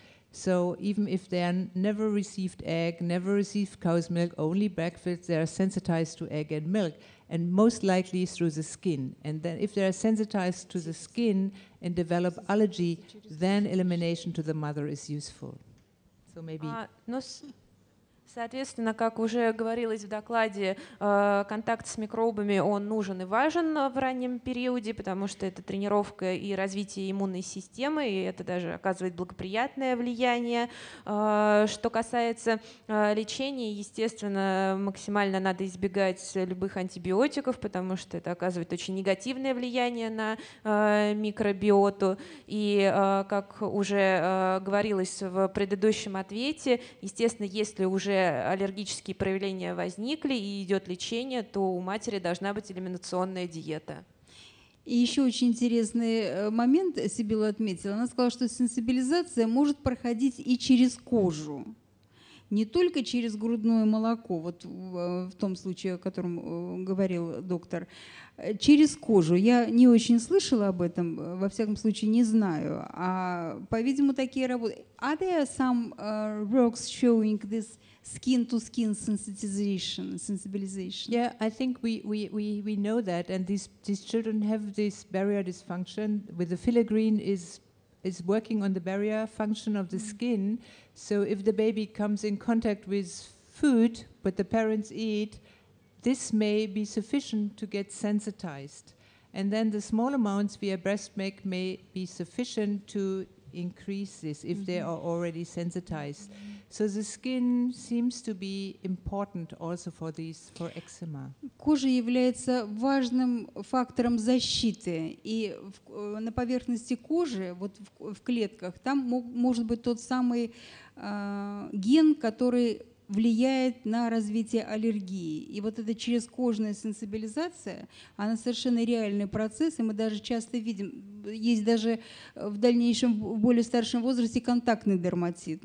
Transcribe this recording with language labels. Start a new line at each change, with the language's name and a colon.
English: So even if they are never received egg, never received cow's milk, only breastfed, they are sensitized to egg and milk, and most likely through the skin. And then if they are sensitized to the skin and develop allergy, then elimination to the mother is useful. So maybe...
Russian: Соответственно, как уже говорилось в докладе, контакт с микробами, он нужен и важен в раннем периоде, потому что это тренировка и развитие иммунной системы, и это даже оказывает благоприятное влияние. Что касается лечения, естественно, максимально надо избегать любых антибиотиков, потому что это оказывает очень негативное влияние на микробиоту. И, как уже говорилось в предыдущем ответе, естественно, если уже аллергические проявления возникли и идет лечение, то у матери должна быть элиминационная диета. И еще очень интересный момент Сибилла отметила. Она сказала, что сенсибилизация может проходить и через кожу, не только через грудное молоко, вот в том случае, о котором говорил доктор. Через кожу. Я не очень слышала об этом, во всяком случае не знаю. А, по-видимому, такие работы.
English: Are there some works showing this skin-to-skin sensitization? Yeah, I think we know that, and these children have this barrier dysfunction. With the filigreen is working on the barrier function of the skin. So if the baby comes in contact with food, but the parents eat, this may be sufficient to get sensitized. And then the small amounts via breast milk may be sufficient to increase this if they are already sensitized. So the skin seems to be important also for these, for eczema.
Russian: Кожа является важным фактором защиты, и на поверхности кожи, вот в клетках, там может быть тот самый ген, который влияет на развитие аллергии. И вот эта черезкожная сенсибилизация, она совершенно реальный процесс, и мы даже часто видим, есть даже в дальнейшем, в более старшем возрасте, контактный дерматит.